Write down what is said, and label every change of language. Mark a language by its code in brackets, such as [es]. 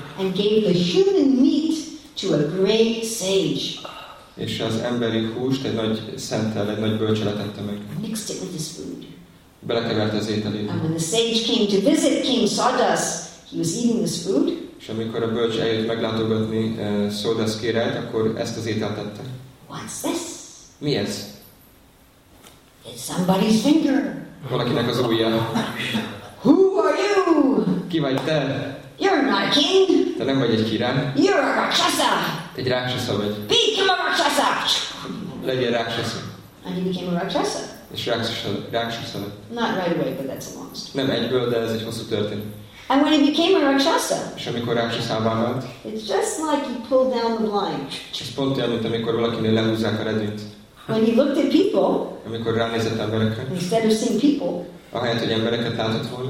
[en] And gave the human meat to a great sage. [hu] És az emberi húst egy nagy szenttel, egy nagy bölcsel tette meg. [en] Mixed it with his food. [hu] Belekevert az ételébe. [en] And when the sage came to visit King Sodas, he was eating this food. [hu] És amikor a bölcs eljött meglátogatni Sodas királyt, akkor ezt az ételt tette. [en] What's this? [hu] Mi ez? [en] It's somebody's finger. [hu] Valakinek az ujja. [en] Who are you? [hu] Ki vagy te? [en] You're not a king. [hu] Te nem vagy egy király. [en] You're a rakshasa. [hu] Te egy rakshasa vagy. [en] Become a rakshasa. [hu] Legyél rakshasa. [en] And he became a rakshasa. [hu] És rakshasa lett. [en] Not right away, but that's a long story. [hu] Nem egyből, de ez egy hosszú történet. [en] And when he became a rakshasa. [hu] És amikor rakshasává vált. [en] It's just like he pulled down the blind. [hu] Ez pont olyan, mint amikor valakinél lehúzzák a redőnyt. [en] When he looked at people. [hu] Amikor ránézett emberekre. [en] Instead of seeing people. [hu] Ahelyett, hogy embereket látott volna.